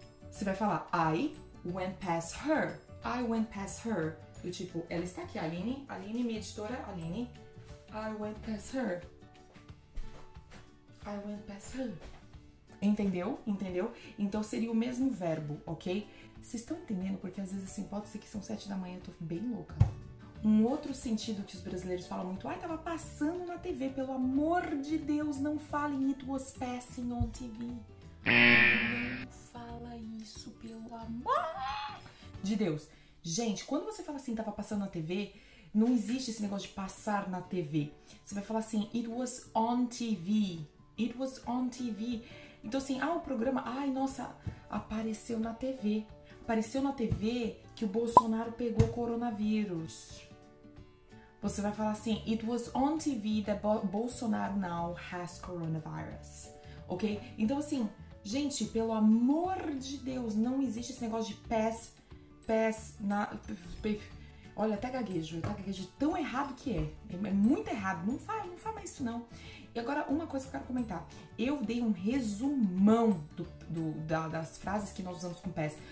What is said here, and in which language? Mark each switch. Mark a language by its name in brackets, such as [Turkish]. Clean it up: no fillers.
[Portuguese] Você vai falar, [English] I went past her. I went past her. [Portuguese] Do tipo, ela está aqui, Aline. Aline, minha editora, Aline. [English] I went past her. I went past her. [Portuguese] Entendeu? Entendeu? Então, seria o mesmo verbo, ok? Vocês estão entendendo? Porque, às vezes, assim, pode ser que são 7 da manhã, eu tô bem louca. Um outro sentido que os brasileiros falam muito, ai, tava passando na TV, pelo amor de Deus, não falem [English] it was passing on TV. [Portuguese] Não fala isso, pelo amor de Deus. Gente, quando você fala assim, tava passando na TV, não existe esse negócio de passar na TV. Você vai falar assim, [English] it was on TV. It was on TV. [Portuguese] Então assim, ah, o programa, ai, nossa, apareceu na TV. Apareceu na TV que o Bolsonaro pegou coronavírus. Você vai falar assim, [English] it was on TV that Bolsonaro now has coronavirus. Ok? [Portuguese] Então assim, gente, pelo amor de Deus, não existe esse negócio de pass na... Olha, até gaguejo, tão errado que é. É muito errado, não fala mais isso não. E agora, uma coisa que eu quero comentar. Eu dei um resumão das frases que nós usamos com pass.